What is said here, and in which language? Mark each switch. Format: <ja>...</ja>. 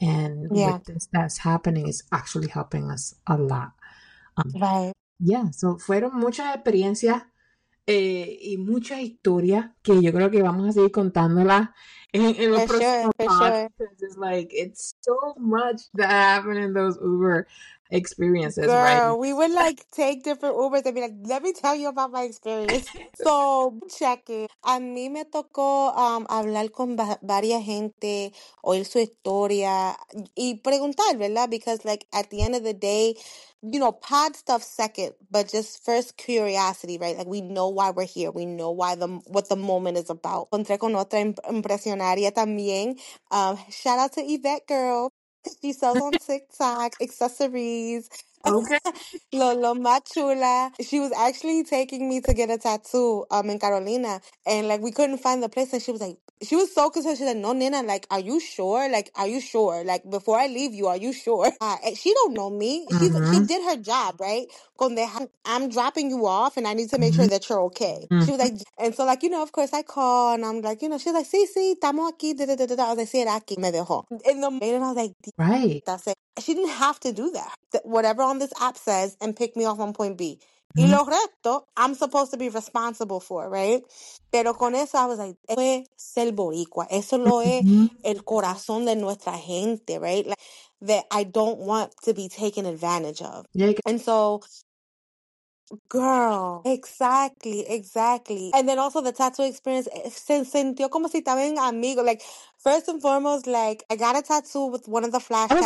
<en>And with this that's happening is actually helping us a lot.</en> <es>So fueron muchas experiencias y mucha historia que yo creo que vamos a seguir contándola en los próximos podcasts.</es> <en>It's like, it's so much that happened in those Uber experiences. Girl, right? We would like take different Ubers and be like, let me tell you about my experience. So, check it.</en> <es>A mí me tocó hablar con varias gente, oír su historia y preguntar, ¿verdad?</es> <en>Because, like, at the end of the day, you know, pod stuff second, but just first curiosity, right? Like, we know why we're here. We know why what the moment is about.</en> <es>Encontré con otra impresionaria también.</es> <en>Shout out to Yvette, girl. She sells on TikTok accessories. Okay.</en> <es>Lo más chula.</es> <en>She was actually taking me to get a tattoo in Carolina, and like we couldn't find the place, and she was like, she was so concerned. She's like, no, Nina, like, are you sure? Like, are you sure? Like, before I leave you, are you sure? She don't know me. She's, mm-hmm. She did her job, right? I'm dropping you off, and I need to make mm-hmm. sure that you're okay. Mm-hmm. She was like, and so, like, you know, of course, I call, and I'm like, you know, she's like,</en> <es>sí, estamos aquí, da, da, da, da.</es> <en>I was like,</en> <es>sí, era aquí, me dejó.</es> <en>And I was like, right. That's it. She didn't have to do that. Whatever on this app says, and pick me off on point B.</en> <es>Y lo resto,</es> <en>I'm supposed to be responsible for, right?</en> <es>Pero con eso,</es> <en>I was like,</en> <es>eso es ser boricua. Eso lo es el corazón de nuestra gente, right?</es> <en>Like, that I don't want to be taken advantage of. Yeah. And so, girl, exactly, exactly. And then also the tattoo experience,</en> <es>se sintió como si estaban amigos.</es> <en>Like, first and foremost, like, I got a tattoo with one of the flash tattoos.</en>